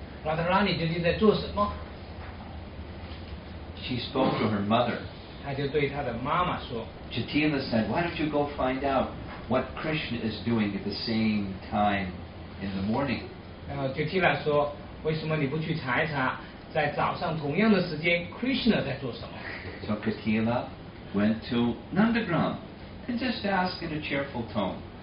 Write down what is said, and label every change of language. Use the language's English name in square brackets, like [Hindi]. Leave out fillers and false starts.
[Chinese] Radharani 究竟在做什么? [English] She spoke to her mother. [Chinese] 她就对她的妈妈说, [English] Jatila said, why don't you go find out what Krishna is doing at the same time in the morning? [Chinese] 然后Jatila说, 为什么你不去查一查在早上同样的时间 Krishna在做什么? [English] So Katila went to Nandagram and just asked in a cheerful tone.